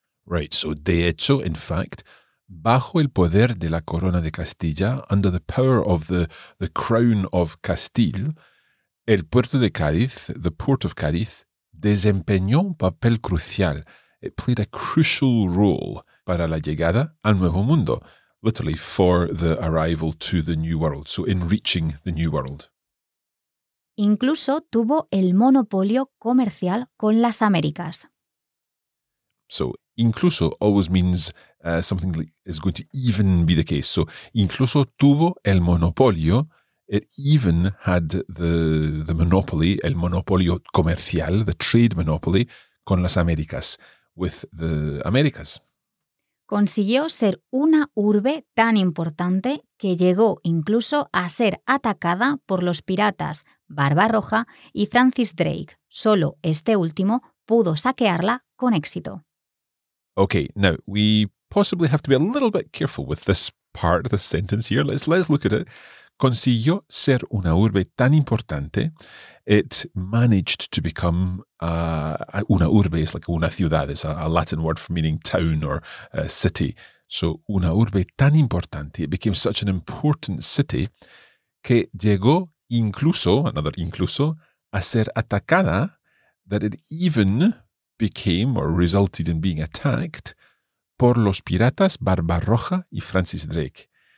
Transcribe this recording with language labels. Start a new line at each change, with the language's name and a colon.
English: Right, so
Spanish: de hecho,
English: in fact,
Spanish: bajo el poder de la Corona de Castilla,
English: under the power of the Crown of Castile,
Spanish: el puerto de Cádiz,
English: the port of Cádiz,
Spanish: desempeñó un papel crucial.
English: It played a crucial role
Spanish: para la llegada al Nuevo Mundo,
English: literally for the arrival to the New World, so in reaching the New World.
Spanish: Incluso tuvo el monopolio comercial con las Américas.
English: So, incluso always means something like is going to even be the case. So,
Spanish: incluso tuvo el monopolio,
English: it even had the monopoly,
Spanish: el monopolio comercial,
English: the trade monopoly,
Spanish: con las Américas,
English: with the Americas.
Spanish: Consiguió ser una urbe tan importante que llegó incluso a ser atacada por los piratas Barbarroja y Francis Drake. Solo este último pudo saquearla con éxito.
English: Okay, now we possibly have to be a little bit careful with this part, this sentence here. Let's look at it.
Spanish: Consiguió ser una urbe tan importante.
English: It managed to become una urbe. It's like
Spanish: una ciudad.
English: It's a Latin word for meaning town or city.
Spanish: So una urbe tan importante.
English: It became such an important city
Spanish: que llegó incluso,
English: another incluso,
Spanish: a ser atacada,
English: that it even became or resulted in being attacked
Spanish: por los piratas Barbarroja y Francis Drake.